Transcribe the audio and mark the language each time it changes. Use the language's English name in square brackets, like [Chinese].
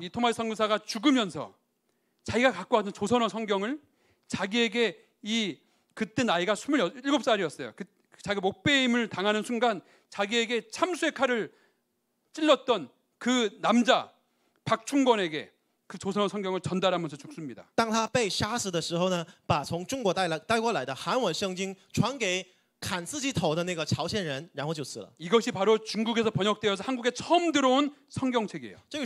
[Korean] 이 토마스 선교사가 죽으면서 자기가 갖고 왔던 조선어 성경을 자기에게 이 그때 나이가 27살이었어요. 그 자기 목베임을 당하는 순간 자기에게 참수의 칼을 찔렀던 그 남자 박충권에게 그 조선어 성경을 전달하면서 죽습니다. [Chinese] 当他被杀死的时候呢，把从中国带来带过来的韩文圣经传给砍自己头的那个朝鲜人，然后就死了。 [Korean] 이것이 바로 중국에서 번역되어서 한국에 처음 들어온 성경책이에요.